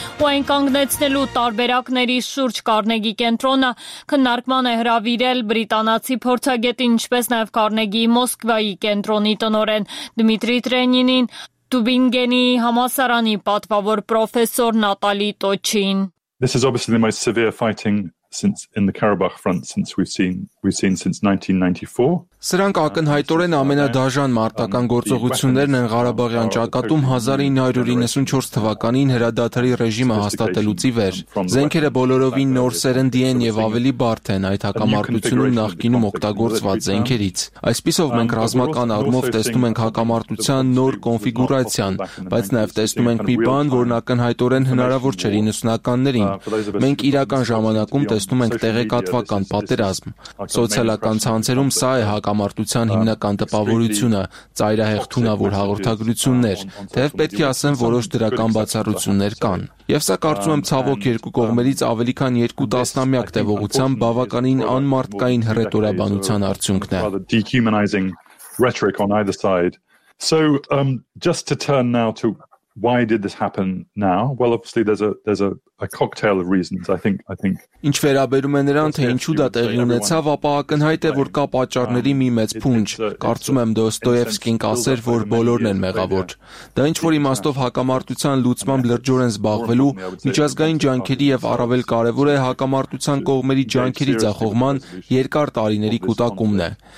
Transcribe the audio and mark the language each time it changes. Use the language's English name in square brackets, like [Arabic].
[Armenian] ու այն կանգնեցնելու տարբերակների շուրջ Կարնեգի կենտրոնը քննարկման է հրավիրել բրիտանացի փորձագետին, ինչպես նաև Կարնեգիի Մոսկվայի կենտրոնի տնօրեն Դմիտրի Տրենինին, Տուբինգենի համալսարանի պատվավոր պրոֆեսոր Նատալի Տոչին։ [English] This is obviously the most severe fighting since in the Karabakh front since we've seen since 1994. [Armenian] Սրանք ակնհայտորեն ամենադաժան մարտական գործողություններն են Ղարաբաղյան ճակատում 1994 թվականին հրադադարի ռեժիմը հաստատելուց ի վեր։ Զենքերը բոլորովին նոր սերնդի են եւ ավելի բարդ են այդ հակամարտությունում նախկինում օգտագործված զենքերից։ Այսպիսով մենք ռազմական առումով տեսնում ենք հակամարտության նոր կոնֆիգուրացիան, բայց նաեւ տեսնում ենք մի բան, որն ակնհայտորեն հնարավոր չէր 90-ականներին։ Մենք իրական ժամանակում տեսնում ենք տեղեկատվական պատերազմ։ Սոցիալական ցանցերում սա է հակամարտության հիմնական տպավորությունը, ծայրահեղ թունավոր հաղորդագրություններ, թեև պետք է ասեմ, որոշ դրական բացառություններ կան։ Եվ սա, կարծում եմ, ցավոք երկու կողմերից ավելի քան երկու տասնամյակ տևողությամբ բավականին անմարդկային հռետորաբանության արդյունքն է։ [English] Why did this happen now? Well, obviously there's a cocktail of reasons. I think [Armenian] Ինչ վերաբերում է նրան, թե ինչու դա տեղի ունեցավ, ապա ակնհայտ է, որ կա պատճառների մի մեծ փունջ։ Կարծում եմ Դոստոևսկին ասել, որ բոլորն են մեղավոր։ Դա ինչ որ իմաստով հակամարտության լուծմամբ լրջորեն զբաղվելու միջազգային ջանքերի եւ առավել կարեւոր է հակամարտության կողմերի ջանքերի ձախողման երկար տարիների կուտակումն է։